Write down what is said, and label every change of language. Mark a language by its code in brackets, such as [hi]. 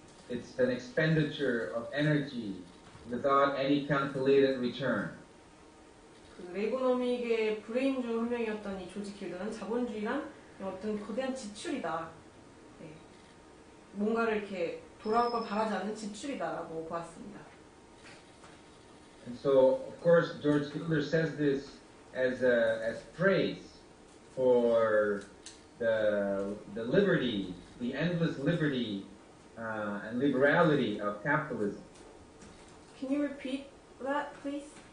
[en] It's an expenditure of energy without any calculated return. [ko] 그 레고노믹의 브레인주 한 명이었던 이 조지 길드는 자본주의란 어떤 거대한 지출이다. 네. 뭔가를 이렇게 돌아올 걸 바라지 않는 지출이다라고 보았습니다. [en] And so, of course, George Gilder says this as a as praise for the liberty, the endless liberty and liberality of capitalism. Can you repeat that, please?